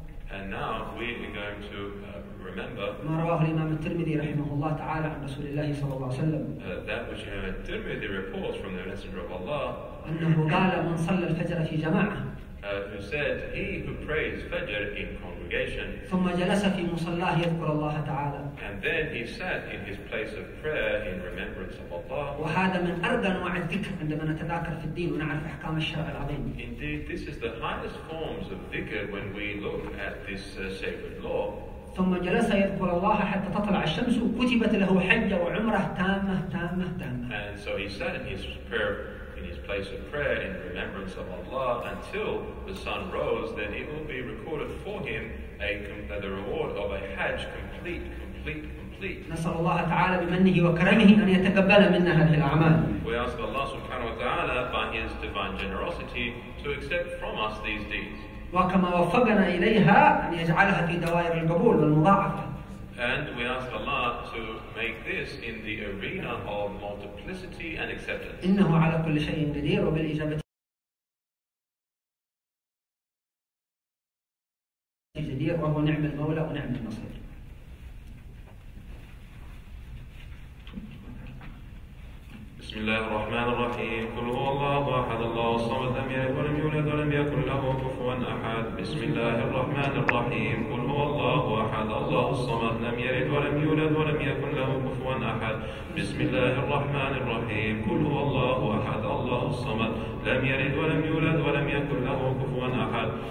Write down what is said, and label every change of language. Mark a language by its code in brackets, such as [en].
[en] And now we're going to remember. [ar] ما رواه الإمام الترمذي رحمه الله تعالى عن رسول الله صلى الله عليه وسلم. [en] That which Tirmidhi reports from the Messenger of Allah. [ar] أنه قال من صلى الفجر في جماعة. [en] Who said he who prays Fajr in congregation. [ar] ثم جلس في مصلاه يذكر الله تعالى. [en] And then he sat in his place of prayer in remembrance of Allah. [ar] وهذا من أرقى أنواع الذكر عندما نتذاكر في الدين ونعرف أحكام الشرع العظيم. [en] Indeed, this is the highest forms of dhikr when we look at this sacred law. [ar] ثم جلس يذكر الله حتى تطلع الشمس وكتبت له حجة وعمرة تامة تامة تامة. [en] And so he sat in his prayer. In his place of prayer in remembrance of Allah until the sun rose, then it will be recorded for him the reward of a Hajj complete. [ar] نسأل الله تعالى بمنه وكرمه أن يتقبل منا هذه الأعمال. [en] We ask Allah subhanahu wa ta'ala by His divine generosity to accept from us these deeds. [ar] وكما وفقنا إليها أن يجعلها في دوائر القبول والمضاعفة. [en] And we ask Allah to make this in the arena of multiplicity and acceptance. [ar] إنه على كل شيء قدير وبالإجابة قدير وهو نعم المولى ونعم النصير. بسم الله الرحمن الرحيم قل هو الله أحد الله الصمد لم يلد ولم يولد ولم يكن له كفوا أحد بسم الله الرحمن الرحيم قل هو الله أحد الله الصمد لم يلد ولم يولد ولم يكن له كفوا أحد بسم الله الرحمن الرحيم قل هو الله أحد الله الصمد لم يلد ولم يولد ولم يكن له كفوا أحد